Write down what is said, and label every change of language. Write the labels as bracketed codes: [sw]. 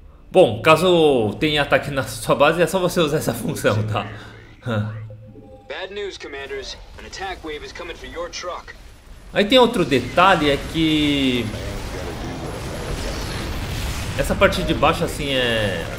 [pt] Bom, caso tenha ataque na sua base, é só você usar essa função, tá? [en] Bad news, commanders. An attack wave is coming for your truck. [pt] Aí tem outro detalhe, é que essa parte de baixo assim é.